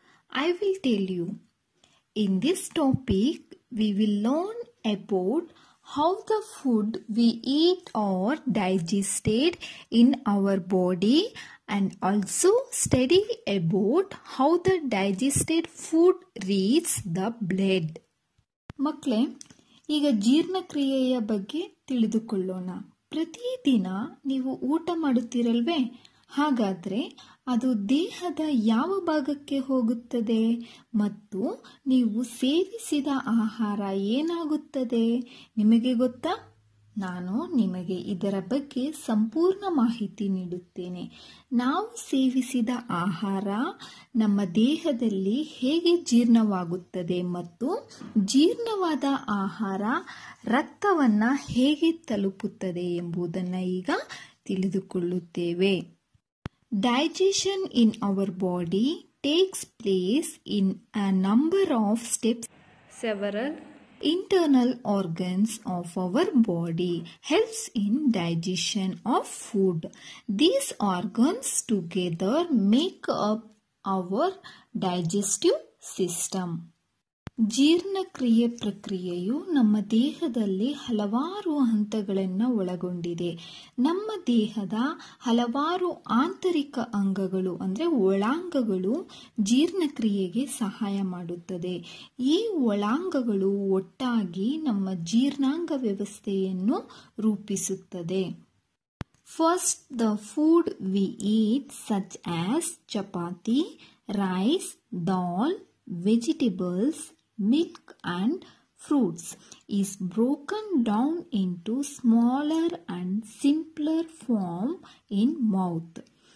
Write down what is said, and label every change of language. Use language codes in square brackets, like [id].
[en] I will tell you. In this topic, we will learn about how the food we eat are digested in our body and also study about how the digested food reaches the blood. [kn] ಮಕ್ಕಳೆ ಈಗ ಜೀರ್ಣಕ್ರಿಯೆಯ ಬಗ್ಗೆ ತಿಳಿದುಕೊಳ್ಳೋಣ. ಪ್ರತಿದಿನ ನೀವು ಊಟ ಮಾಡುತ್ತೀರಲ್ವೇ, ಹಾಗಾದರೆ ಅದು ದೇಹದ ಯಾವ ಭಾಗಕ್ಕೆ ಹೋಗುತ್ತದೆ ಮತ್ತು ನೀವು ಸೇವಿಸಿದ ಆಹಾರ ಏನಾಗುತ್ತದೆ ನಿಮಗೆ ಗೊತ್ತಾ? ನಾನು ನಿಮಗೆ ಇದರ ಬಗ್ಗೆ ಸಂಪೂರ್ಣ ಮಾಹಿತಿ ನೀಡುತ್ತೇನೆ. ನಾವು ಸೇವಿಸಿದ ಆಹಾರ ನಮ್ಮ ದೇಹದಲ್ಲಿ ಹೇಗೆ ಜೀರ್ಣವಾಗುತ್ತದೆ ಮತ್ತು ಜೀರ್ಣವಾದ ಆಹಾರ ರಕ್ತವನ್ನು ಹೇಗೆ ತಲುಪುತ್ತದೆ ಎಂಬುದನ್ನು ಈಗ ತಿಳಿದುಕೊಳ್ಳುತ್ತೇವೆ. [en] Digestion in our body takes place in a number of steps. Several internal organs of our body helps in digestion of food. These organs together make up our digestive system. [kn] ಜೀರ್ಣಕ್ರಿಯೆ ಪ್ರಕ್ರಿಯೆಯು ನಮ್ಮ ದೇಹದಲ್ಲಿ ಹಲವಾರು ಹಂತಗಳನ್ನು ಒಳಗೊಂಡಿದೆ. ನಮ್ಮ ದೇಹದ ಹಲವಾರು ಆಂತರಿಕ ಅಂಗಗಳು ಅಂದರೆ ಒಳಾಂಗಗಳು ಜೀರ್ಣಕ್ರಿಯೆಗೆ ಸಹಾಯ ಮಾಡುತ್ತದೆ. ಈ ಒಳಾಂಗಗಳು ಒಟ್ಟಾಗಿ ನಮ್ಮ ಜೀರ್ಣಾಂಗ ವ್ಯವಸ್ಥೆಯನ್ನು ರೂಪಿಸುತ್ತದೆ. [en] First, the food we eat such as chapati, rice, dal, vegetables, milk and fruits is broken down into smaller and simpler form in mouth.